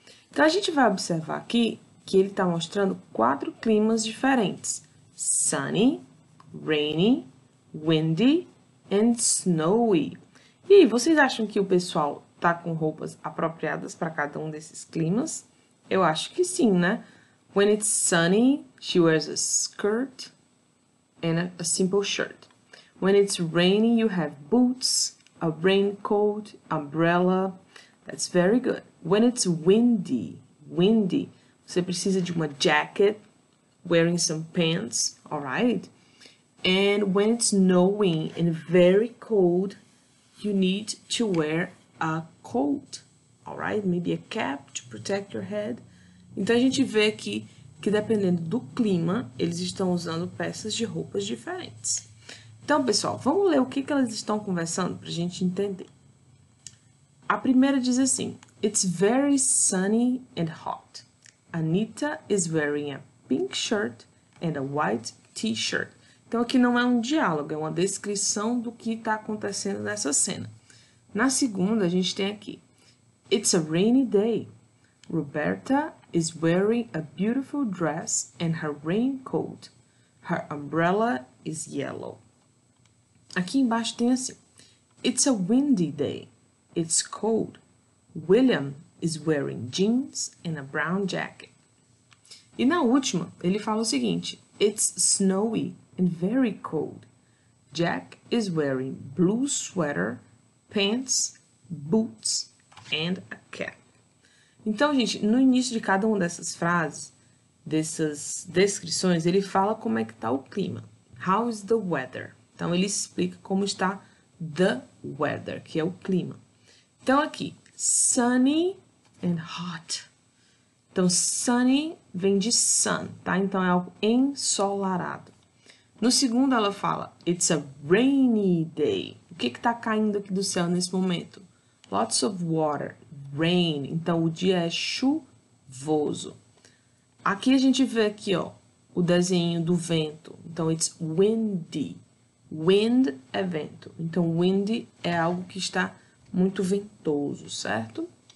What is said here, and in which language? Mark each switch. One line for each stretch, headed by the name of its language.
Portuguese: Então a gente vai observar aqui que ele está mostrando quatro climas diferentes:
English: sunny, rainy, windy and snowy.
Portuguese: E aí, vocês acham que o pessoal está com roupas apropriadas para cada um desses climas? Eu acho que sim, né?
English: When it's sunny, she wears a skirt and a simple shirt. When it's raining, you have boots, a raincoat, umbrella. That's very good. When it's windy,
Portuguese: você precisa de uma
English: jacket, wearing some pants, all right? And when it's snowing and very cold, you need to wear a coat, all right? Maybe a cap to protect your head.
Portuguese: Então a gente vê aqui que dependendo do clima, eles estão usando peças de roupas diferentes. Então, pessoal, vamos ler o que que elas estão conversando para a gente entender. A primeira diz assim:
English: It's very sunny and hot. Anita is wearing a pink shirt and a white t-shirt.
Portuguese: Então, aqui não é um diálogo, é uma descrição do que está acontecendo nessa cena. Na segunda, a gente tem aqui:
English: It's a rainy day. Roberta is wearing a beautiful dress and her raincoat. Her umbrella is yellow.
Portuguese: Aqui embaixo tem assim:
English: It's a windy day. It's cold. William is wearing jeans and a brown jacket.
Portuguese: E na última, ele fala o seguinte:
English: It's snowy and very cold. Jack is wearing blue sweater, pants, boots and a cap.
Portuguese: Então, gente, no início de cada uma dessas frases, dessas descrições, ele fala como é que tá o clima.
English: How is the weather?
Portuguese: Então ele explica como está the weather, que é o clima. Então aqui,
English: sunny and hot.
Portuguese: Então sunny vem de sun, tá? Então é algo ensolarado. No segundo ela fala,
English: it's a rainy day.
Portuguese: O que que está caindo aqui do céu nesse momento?
English: Lots of water, rain.
Portuguese: Então o dia é chuvoso. Aqui a gente vê aqui, ó, o desenho do vento. Então
English: it's windy.
Portuguese: Wind é vento, então windy é algo que está muito ventoso, certo?